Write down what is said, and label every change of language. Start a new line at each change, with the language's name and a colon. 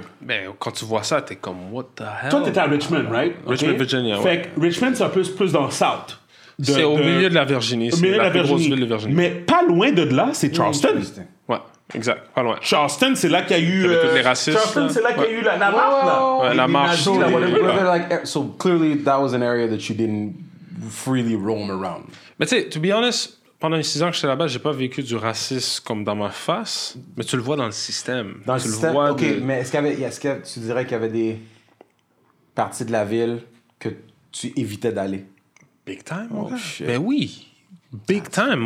French: Mais quand tu vois ça, t'es comme what the hell? Toi, t'étais à Richmond, right?
English: Okay. Richmond, Virginia.
French: Fait que Richmond, c'est un peu plus dans le South. C'est au milieu de la Virginie. C'est la plus grosse ville de Virginie. Mais pas loin de là, c'est Charleston. Ouais, exact. Pas loin. Charleston, c'est là qu'il y a eu. Toutes les racistes. Charleston, c'est là qu'il y a eu la marche. Là. Ouais, la marche.
English: So clearly, that was an area that you didn't freely roam around.
French: Mais tu sais, to be honest. Pendant les 6 ans que j'étais là-bas, j'ai pas vécu du racisme comme dans ma face, mais tu le vois dans le système. Dans tu le système, vois ok, de... mais est-ce que tu dirais qu'il y avait des parties de la ville que tu évitais d'aller? Big time, mon gars. Ben oui, big time.